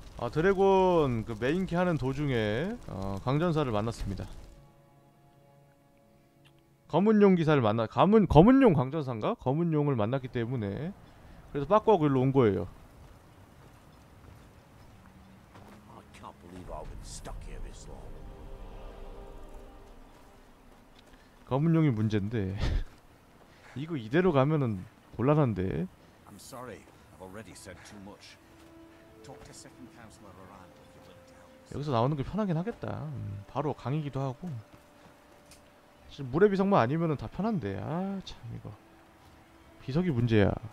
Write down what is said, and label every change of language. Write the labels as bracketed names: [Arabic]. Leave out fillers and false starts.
[Korean] 드래곤 그 메인키 하는 도중에 강전사를 만났습니다. 검은용 기사를 만나 검은용 강전사인가? 검은용을 만났기 때문에 그래서 빠꾸하고 일로 온 거예요. [English] I can't believe I've been stuck here this long. [Korean] 검은용이 문제인데 이거 이대로 가면은 곤란한데. [English] I'm sorry. I've already said too much. Talk to second counselor around. [Korean] 여기서 나오는 게 편하긴 하겠다. 바로 강이기도 하고. 지금 물의 비석만 아니면은 다 편한데. 아, 참 이거. 비석이 문제야.